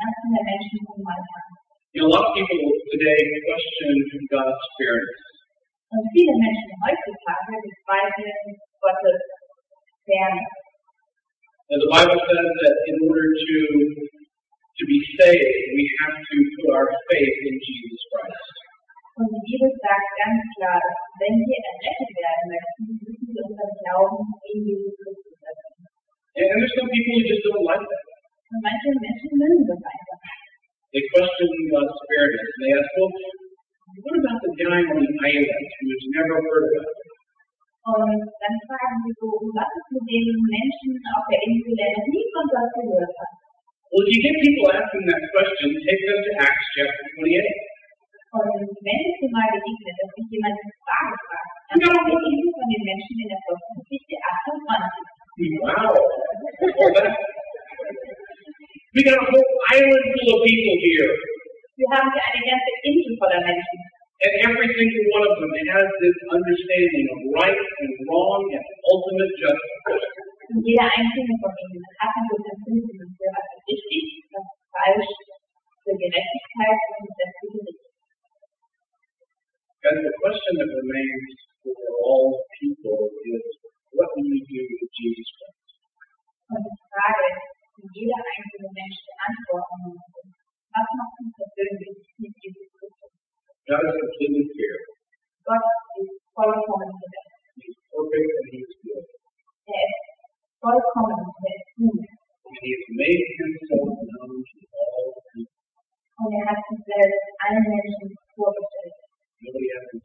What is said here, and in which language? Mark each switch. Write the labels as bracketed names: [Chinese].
[English] A lot of people today question God's fairness. [German] Und viele Menschen heutzutage bezweifeln Gottes Fairness. [English] And the Bible says that in order to be saved, we have to put our faith in Jesus Christ. [German] Und die Bibel sagt ganz klar, wenn wir errettet werden möchten, müssen wir unseren Glauben in Jesus Christus setzen. [English] And there's some people who just don't like that. [German] Und manche Menschen mögen das einfach. [English] They question God's fairness. They ask, well, what about the guy on the island who has never heard of it? [German] Und dann fragen sie so, was ist mit den Menschen auf der Insel, der noch nie von Gott gehört hat? [English] Well, if you get people asking that question, take them to Acts chapter 28. [German] Und wenn es dir mal begegnet, dass sich jemand die Frage fragt, dann kommt der Liebe von den Menschen in der Apostelgeschichte 28. [English] Wow! We got a whole island full of people here. [German] Wir haben hier eine ganze Insel voller Menschen. [English] And every single one of them has this understanding of right and wrong and ultimate justice. [German] Und jeder einzelne von ihnen hat ein gutes Wissen, was ist richtig, was ist falsch, für Gerechtigkeit und das letzte Gericht. [English] And the question that remains for all people is, what will we do with Jesus Christ? [German] Und die Frage, die jeder einzelne Mensch beantworten muss, was macht uns persönlich mit Jesus Christus? [English] God is completely fair. [German] Gott ist vollkommen gerecht. [English] He is perfect and he is good. [German] Er ist vollkommen gerecht. [English] And he has made himself known to all people. [German] Und hat sich selbst allen Menschen vorgestellt.